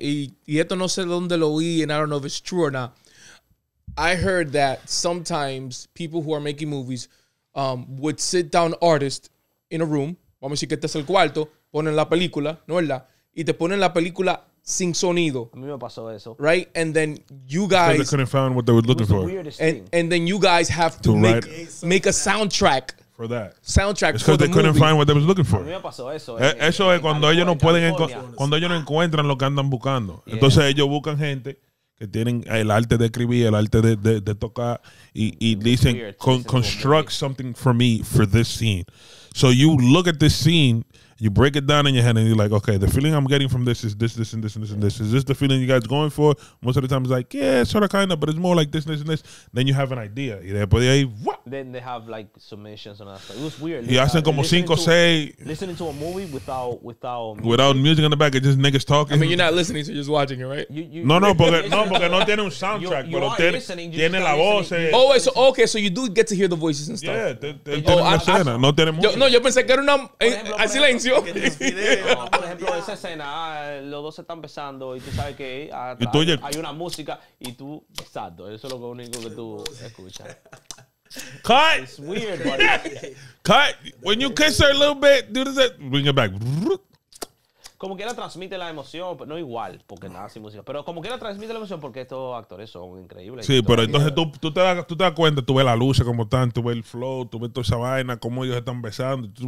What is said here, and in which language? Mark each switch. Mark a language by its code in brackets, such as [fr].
[es] Y esto no sé dónde lo oí, [en] and I don't know if it's true or not. I heard that sometimes people who are making movies would sit down artists in a room, [es] vamos a decir que este es el cuarto, ponen la película, ¿no es la? Y te ponen la película sin sonido. A mí me pasó eso. [en] Right? And then you guys... Because they couldn't find what they were looking the for. And then you guys have to make a soundtrack. For that. Soundtrack. It's because they couldn't find what they were looking for. [es] A mí me pasó eso. Eso es cuando ellos no pueden cuando ellos no encuentran lo que andan buscando. Yeah. Entonces ellos buscan gente que tienen el arte de escribir, el arte de tocar y dicen [en] construct something for me for this scene. [es] So you look at this scene [en] You break it down in your head and you're like, okay, the feeling I'm getting from this is this, this, and this, and this, and this. Is this the feeling you guys going for? Most of the time it's like, yeah, sort of, kind of, but it's more like this, this, and this. Then you have an idea. You know? But they, then they have like submissions and that stuff. It was weird. Yeah, I sent [es] como cinco, [en] listening to a movie without music. Without music in the back, it's just niggas talking. I mean, you're not listening, so you're just watching it, right? [es] No, porque no tiene un soundtrack. [en] You are listening. [es] Tiene la voz. [en] Oh, wait, so you do get to hear the voices and stuff. [es] Yeah. No tiene música. No, yo pensé que era una... Hay silencio. Por ejemplo, esa escena, los dos se están besando y tú sabes que hay una música y tú, exacto, eso es lo único que tú escuchas. [en] Cut. It's weird, buddy. Cut. When you kiss her a little bit, dude, does that bring it back? [es] Como que ella transmite la emoción, pero no igual, porque nada sin música. Pero como que ella transmite la emoción, porque estos actores son increíbles. Sí, pero entonces tú te das cuenta, tú ves la luz como están, tú ves el flow, tú ves toda esa vaina, cómo ellos están besando.